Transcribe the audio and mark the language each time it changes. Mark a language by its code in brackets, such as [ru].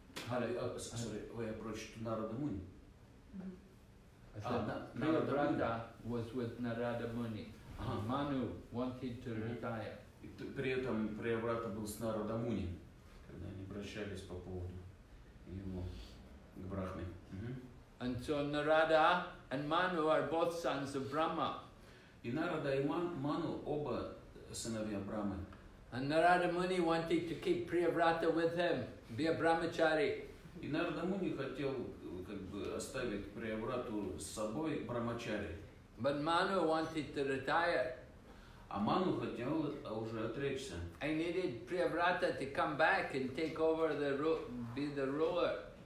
[en] Narada Brahma was with Narada Muni. Manu wanted to retire. [ru] И при этом Преобрата был с Нарада Муни, когда они обращались по поводу его к Брахме. [en] And so Narada and Manu are both sons of Brahma. [ru] И Нарада и Ману оба сыновья Брахмы. [en] And Narada Muni wanted to keep Priyavrata with him, be a brahmachari. [ru] И Нарада Муни хотел как бы оставить Приябрату с собой брахмачари. [en] But Manu wanted to retire. [ru] А Ману хотел уже отречься. [en] I needed Priyavrata to come back and take over the be the ruler.